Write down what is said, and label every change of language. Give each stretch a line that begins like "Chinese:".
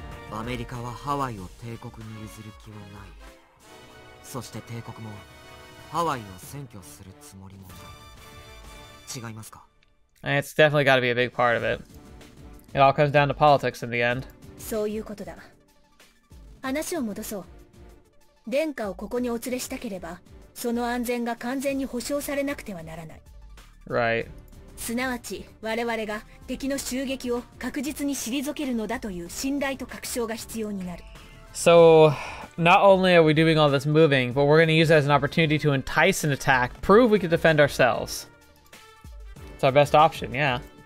Japanese: America は Hawaii を帝国に譲る気はない。そして帝国も Hawaii を占拠するつもりもない。違いますか?
English: It's definitely got to be a big part of it. It all comes down to politics in the end.
Japanese: そういうことだ。話を戻そう。殿下をここにお連れしたければ、その安全が完全に保証されなくてはならない。
English: Right.
Japanese: すなわち我々が敵の襲撃を確実に退けるのだという信頼と確証が必要になる。
English: So not only are we doing all this moving, but we're going to use it as an opportunity to entice an attack, prove we can defend ourselves. It's our best option, yeah.